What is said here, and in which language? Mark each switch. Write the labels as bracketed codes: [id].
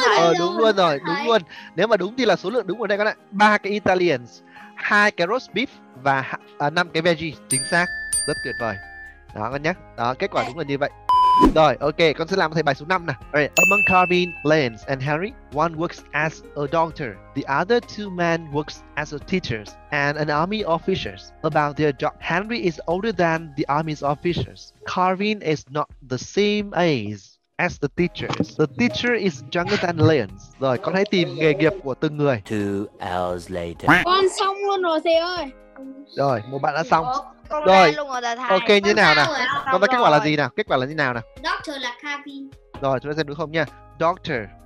[vi] rồi. Đúng luôn rồi, đúng luôn. Nếu mà đúng thì là số lượng đúng ở đây các bạn ạ. 3 cái Italians, 2 cái roast beef và 5 cái veggie, chính xác. Rất tuyệt vời. Đó các bạn nhé. Đó, kết quả đúng là như vậy. Rồi, ok, con sẽ làm thầy bài số 5 nè. [en] Alright, among Carvin, Lance and Harry, one works as a doctor. The other two men works as a teachers and an army officers. About their job, Henry is older than the army's officers. Carvin is not the same age as the teachers. The teacher is younger than Lance. [vi] Rồi, con hãy tìm nghề nghiệp của từng người. [en] 2 hours later. [vi] Con xong luôn rồi thầy ơi. Rồi, một bạn đã xong. Con rồi, luôn rồi ok như thế nào nào? Con thấy kết quả là gì nào? Kết quả là như nào nào? Doctor là Calvin. Rồi, chúng ta xem đúng không nha. [en] Doctor.